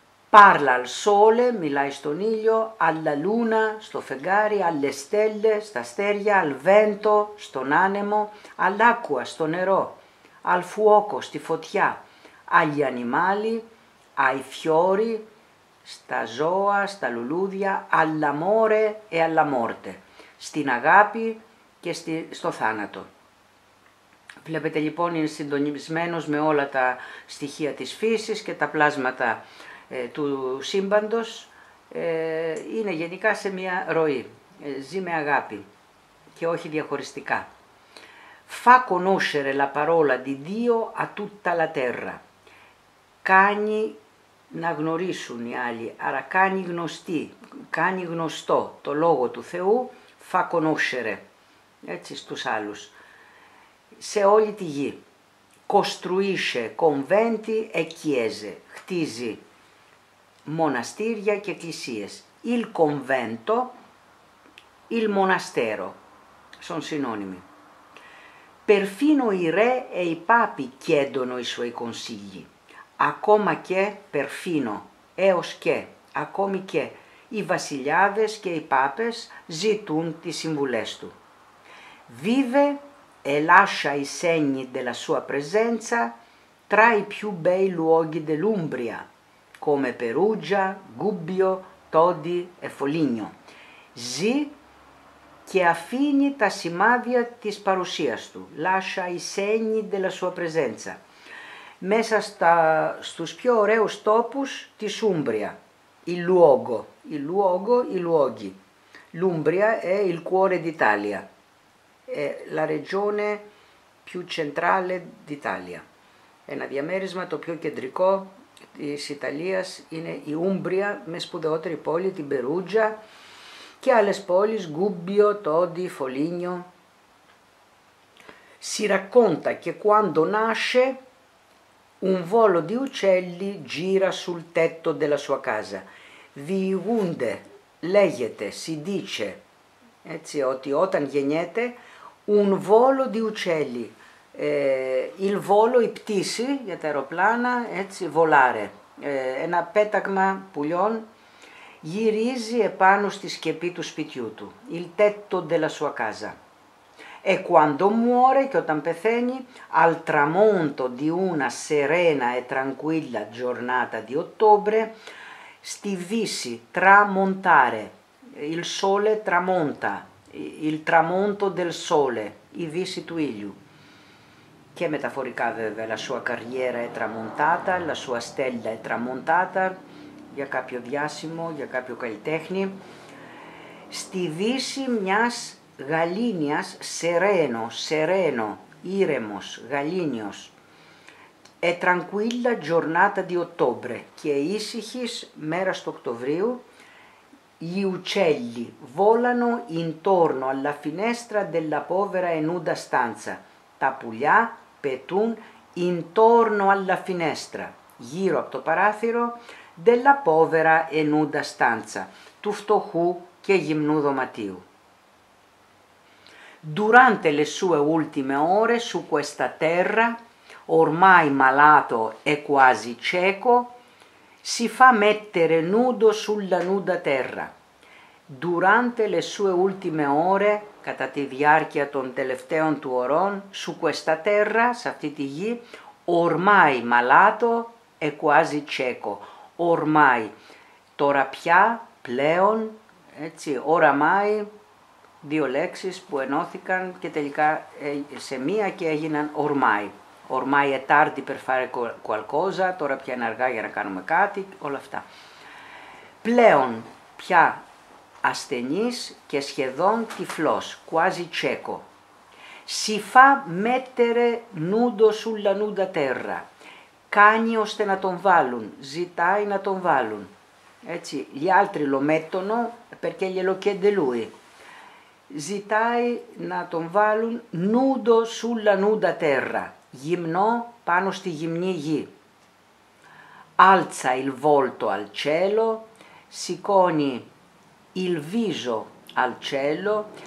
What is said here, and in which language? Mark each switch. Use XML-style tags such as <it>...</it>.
<it>Parla al sole,</it> <el>μιλάει στον ήλιο, alla luna, στο φεγγάρι, alle stelle, στα αστέρια, al vento, στον άνεμο, all'acqua, στο νερό, al fuoco, στη φωτιά, agli animali, ai fiori, στα ζώα, στα λουλούδια,</el> <it>all'amore e alla morte,</it> <el>στην αγάπη και στο θάνατο. Βλέπετε λοιπόν, είναι συντονισμένος με όλα τα στοιχεία της φύσης και τα πλάσματα του σύμπαντος, είναι γενικά σε μια ροή, ζει με αγάπη και όχι διαχωριστικά.</el> <it>Fa conoscere la parola di Dio a tutta la terra.</it> <el>Κάνει να γνωρίσουν οι άλλοι, άρα κάνει γνωστή, κάνει γνωστό το λόγο του Θεού,</el> <it>fa conoscere,</it> <el>έτσι στους άλλους, σε όλη τη γη.</el> <it>Costruisce conventi e chiese,</it> <el>χτίζει μοναστήρια και εκκλησίες.</el> <it>Il convento, il monastero, son sinonimi. Perfino i re e i papi chiedono i suoi consigli.</it> <el>Ακόμα και,</el> <it>perfino,</it> <el>έως και, ακόμη και, οι βασιλιάδες και οι πάπες ζητούν τις συμβουλές του.</el> <it>Vive e lascia i segni della sua presenza tra i più bei luoghi dell'Umbria, come Perugia, Gubbio, Todi e Foligno.</it> <el>Ζει και αφήνει τα σημάδια της παρουσίας του.</el> <it>Lascia i segni della sua presenza.</it> <el>Μέσα στους πιο ωραίους τόπους της Ούμπρια.</el> <it>Il luogo. Il luogo, i luoghi. L'Umbria è il cuore d'Italia. È la regione più centrale d'Italia.</it> <el>Ένα διαμέρισμα το πιο κεντρικό της Ιταλίας είναι η Ούμπρια, με σπουδαιότερη πόλη, την Περούτζα, και άλλες πόλεις, Γκούμπιο, Τόντι, Φολίνιο.</el> <it>Si racconta che quando nasce un volo di uccelli gira sul tetto della sua casa.</it> <el>Διηγούνται, λέγεται, si dice, έτσι, ότι όταν γεννιέται,</el> <it>un volo di uccelli,</it> <el>il volo, η πτήση για τα αεροπλάνα, έτσι, volare, ένα πέταγμα πουλιών, γυρίζει επάνω στη σκεπή του σπιτιού του,</el> <it>il tetto della sua casa. E quando muore,</it> <el>και όταν πεθαίνει,</el> <it>al tramonto di una serena e tranquilla giornata di ottobre,</it> <el>στη δύση,</el> <it>tramontare, il sole tramonta, il tramonto del sole,</it> <el>η δύση του ήλιου. Και μεταφορικά βέβαια,</el> <it>la sua carriera è tramontata, la sua stella è tramontata,</it> <el>για κάποιο διάσημο, για κάποιο καλλιτέχνη. Στη δύση μιας γαλήνιας, σερένο, σερένο, ήρεμος, γαλήνιος.</el> <it>E tranquilla giornata di ottobre,</it> <el>και ήσυχη μέρα του Οκτωβρίου,</el> <it>gli uccelli volano intorno alla finestra della povera e nuda stanza.</it> <el>Τα πουλιά πετούν</el> <it>intorno alla finestra,</it> <el>γύρω από το παράθυρο,</el> <it>della povera e nuda stanza,</it> <el>του φτωχού και γυμνού δωματίου.</el> <it>Durante le sue ultime ore su questa terra, ormai malato e quasi cieco, si fa mettere nudo sulla nuda terra. Durante le sue ultime ore,</it> <el>κατά τη διάρκεια των τελευταίων του ωρών,</el> <it>su questa terra,</it> <el>σε αυτή τη γη,</el> <it>ormai malato e quasi cieco.</it> <el>Ormai, τώρα πια, πλέον, έτσι, oramai, δύο λέξεις που ενώθηκαν και τελικά σε μία και έγιναν ormai.</el> <it>Ormai è tardi per fare qualcosa,</it> <el>τώρα πια είναι αργά για να κάνουμε κάτι, όλα αυτά. Πλέον, πια, ασθενής και σχεδόν τυφλός,</el> <it>quasi cieco. Si fa mettere nudo sulla nuda terra.</it> <el>Κάνει ώστε να τον βάλουν, ζητάει να τον βάλουν. Έτσι,</el> <it>gli altri lo mettono perché glielo chiede lui.</it> <el>Ζητάει να τον βάλουν</el> <it>nudo sulla nuda terra.</it> <el>Γυμνό πάνω στη γυμνή γη.</el> <it>Alza il volto al cielo,</it> <el>σηκώνει</el> <it>il viso al cielo.</it>